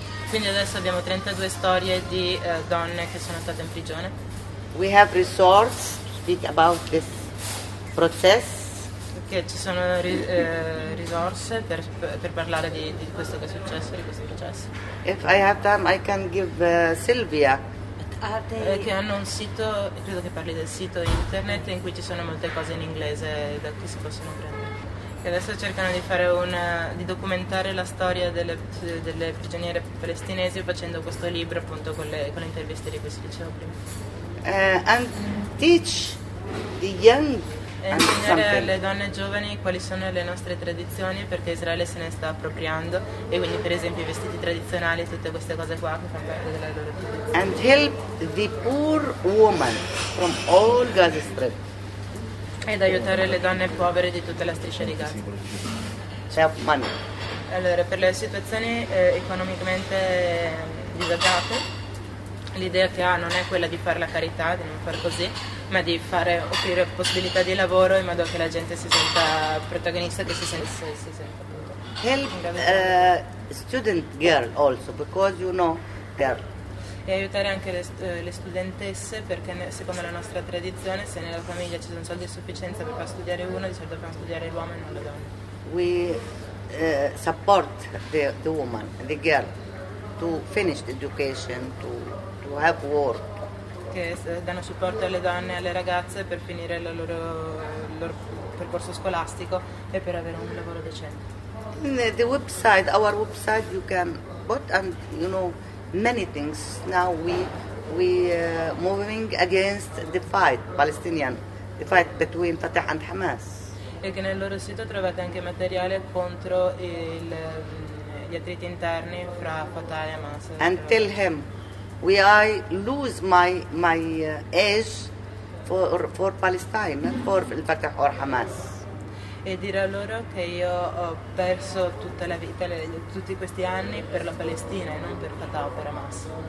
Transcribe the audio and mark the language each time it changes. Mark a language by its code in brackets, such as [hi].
[it] Quindi adesso abbiamo 32 storie di donne che sono state in prigione. [en] We have resources to speak about this process. [it] Che ci sono risorse per parlare di questo che è successo, di questo processo. [en] If I have time I can give Sylvia. [it] Che hanno un sito, credo che parli del sito internet, in cui ci sono molte cose in inglese da cui si possono prendere. Che adesso cercano di fare di documentare la storia delle prigioniere palestinesi facendo questo libro, appunto, con le interviste di cui si dicevo prima. [en] And teach the young [it] e insegnare alle donne giovani quali sono le nostre tradizioni, perché Israele se ne sta appropriando, e quindi per esempio i vestiti tradizionali e tutte queste cose qua che fanno parte della loro tradizione. [en] And help the poor woman from all Gaza Strip. [it] Ed aiutare le donne povere di tutta la striscia di Gaza. C'è money. Allora, per le situazioni economicamente disagiate, l'idea che ha non è quella di fare la carità, di non far così, ma di offrire possibilità di lavoro in modo che la gente si senta protagonista, che si senta [en] help student girl also, because you know girl. [it] E aiutare anche le studentesse, perché secondo la nostra tradizione, se nella famiglia ci sono soldi a sufficienza per far studiare uno, di solito fanno studiare l'uomo e non la donna. [en] We support the woman, the girl, to finish the education, to have work. [it] che danno supporto alle donne e alle ragazze per finire il loro percorso scolastico e per avere un lavoro decente. [en] The website, our website, you can put and you know many things. Now we moving against the fight Palestinian, the fight between Fatah and Hamas. [it] E che nel loro sito trovate anche materiale contro gli attriti interni fra Fatah e Hamas. [en] And tell him, we I lose my age for Palestine, for Fatah or Hamas. [it] E dire a loro che io ho perso tutta la vita, tutti questi anni per la Palestina e non per Fatah o per Hamas.